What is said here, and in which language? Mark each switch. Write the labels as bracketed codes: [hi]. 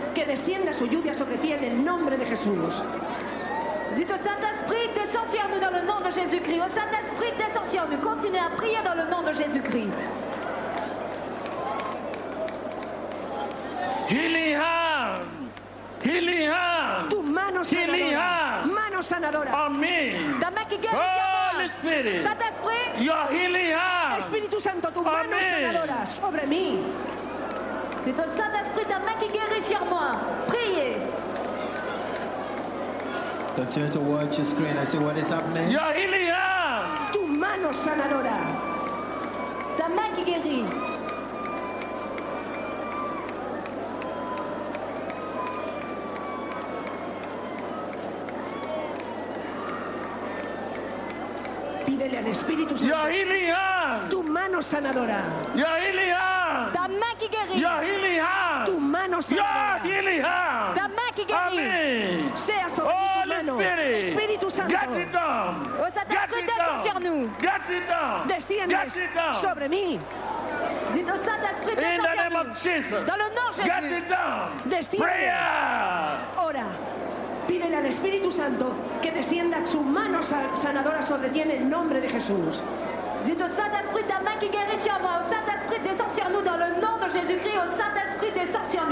[es] Que descienda su lluvia sobre ti en el nombre de Jesús. [fr] Dites au Saint-Esprit, descends sur nous dans le nom de Jésus-Christ. Au Saint-Esprit, descends sur nous. Continuez à prier dans le nom de Jésus-Christ. [en] Healing hand. Healing hand. [es] Tu mano sanadora. [en] Healing hand. [es] Mano sanadora. [en] On me. [fr] Ta main qui guérit sur moi. Holy Spirit. Saint-Esprit. [en] Your healing hand. [es] Espíritu Santo, tu mano sanadora. Sobre mí. [fr] Dites au Saint-Esprit, ta main qui guérit sur moi. Priez. [en] Continue to watch your screen and see what is happening. Your healing hand. [es] Tu mano sanadora. [fr] Ta main qui guérit. [es] Pídele al Espíritu Santo. [en] Your healing hand. [es] Tu mano sanadora. [en] Your healing hand. [fr] Ta main qui guérit. [en] Your healing hand. [es] Tu mano sanadora. [en] Your healing hand. [fr] Ta main qui guérit. [en] Amen. [es] Sea sobre oh. Espíritu Santo. [en] Get it down. [fr] Oh, Saint-Esprit, descend sur nous. [en] Get it down. [es] Desciende. [en] Get it down. [es] Sobre mí. [fr] Dites au Saint-Esprit, descend sur nous. Dans le nom de Jésus. [en] Get it down. [es] Desciende. [en] Prayer. [es] Ora. Pídele al Espíritu Santo que descienda su mano sanadora sobre ti en el nombre de Jesús. [fr] Dites au Saint-Esprit, ta main qui guérit sur moi. Au Saint-Esprit, descend sur nous dans le nom de Jésus-Christ. Au Saint-Esprit, descend sur nous.